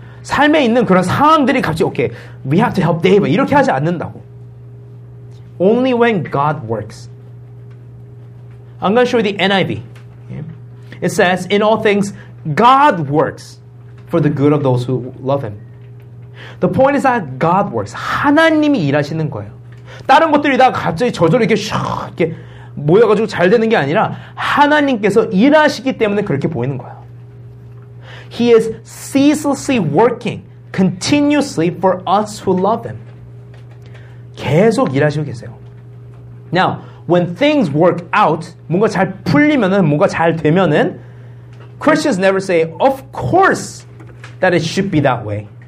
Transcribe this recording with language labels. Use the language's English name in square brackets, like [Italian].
[Korean] 삶에 있는 그런 상황들이 갑자기, [English] okay, we have to help David. [Korean] 이렇게 하지 않는다고. [English] Only when God works. I'm going to show you the NIV. It says, in all things, God works for the good of those who love Him. The point is that God works. [Korean] 하나님이 일하시는 거예요. 다른 것들이 다 갑자기 저절로 이렇게 샥 이렇게 모여가지고 잘 되는 게 아니라 하나님께서 일하시기 때문에 그렇게 보이는 거예요. [English] He is ceaselessly working continuously for us who love Him. [Korean] 계속 일하시고 계세요. [English] Now, when things work out, [Korean] 뭔가 잘 풀리면은, 뭔가 잘 되면은, [English] Christians never say, of course, that it should be that way.